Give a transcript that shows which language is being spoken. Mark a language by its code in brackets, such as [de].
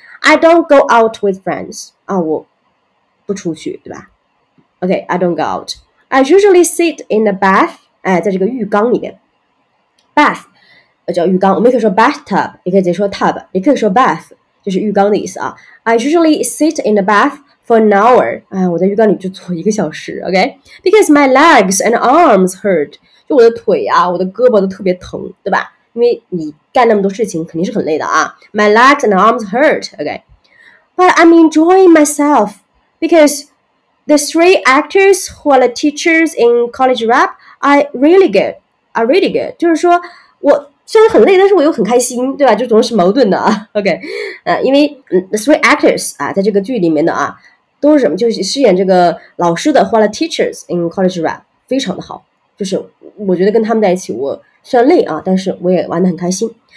[en] I don't go out with friends. [zh] 啊，我不出去，对吧 [en] ？OK, I don't go out. I usually sit in the bath. [zh] 哎，在这个浴缸里面 ，bath 叫浴缸，我们可以说 bathtub， 也可以直接说 tub， 也可以说 bath， 就是浴缸的意思啊。 [en] I usually sit in the bath for an hour. [zh] 哎，我在浴缸里就坐一个小时 ，OK? [en] Because my legs and arms hurt. [zh] 就我的腿啊，我的胳膊都特别疼，对吧？因为你干那么多事情肯定是很累的啊。 [en] My legs and arms hurt, okay. But I'm enjoying myself because the three actors who are the teachers in college rap are really good. [zh] 就是说我虽然很累但是我又很开心，对吧？就总是矛盾的啊。 Okay. 因为 [en] the three actors, [zh] 啊，在这个剧里面的啊都是什么，就是饰演这个老师的 [en] who are the teachers in college rap, [zh] 非常的好。就是我觉得跟他们在一起我虽然累啊，但是我也玩得很开心。